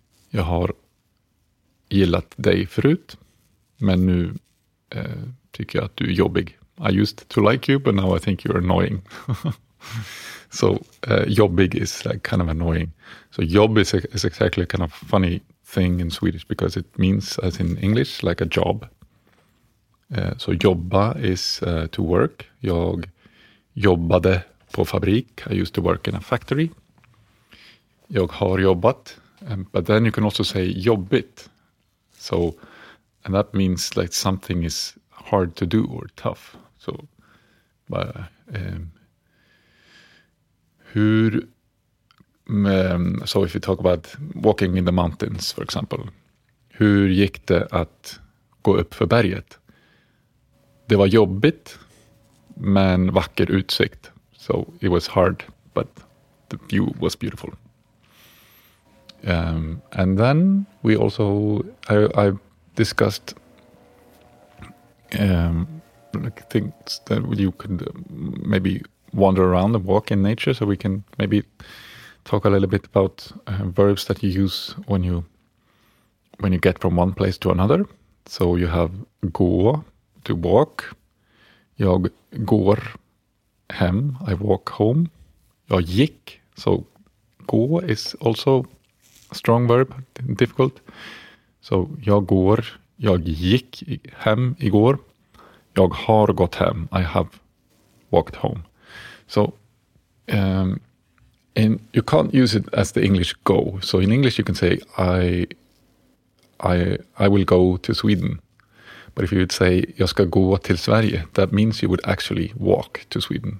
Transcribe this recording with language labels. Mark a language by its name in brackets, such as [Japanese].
[Swedish] Jag har gillat dig förut, men nu tycker jag att du är jobbig. [English] I used to like you, but now I think you're annoying. So jobbig is like kind of annoying. So jobb is exactly a kind of funny thing in Swedish, because it means, as in English, like a job. So jobba is to work. [Swedish] Jag jobbade på fabrik. [English] I used to work in a factory. [Swedish] Jag har jobbat, [English] but then you can also say jobbigt. So, and that means like something is hard to do or tough. So, so if you talk about walking in the mountains, for example, [Swedish] hur gick det att gå upp för berget? Det var jobbigt, men vacker utsikt. [English] So it was hard, but the view was beautiful. And then we also, I discussed like things that you could maybe wander around and walk in nature. So we can maybe talk a little bit about verbs that you use when you get from one place to another. So you have gå, to walk. [Swedish] Jag går hem, [English] I walk home. Jag gick, so gå is also a strong verb, difficult. [Swedish] So jag går, jag gick hem igår. Jag har gått hem, [English] I have walked home. So, and you can't use it as the English go. So in English you can say, I will go to Sweden. But if you would say, [Swedish] jag ska gå till Sverige, [English] that means you would actually walk to Sweden.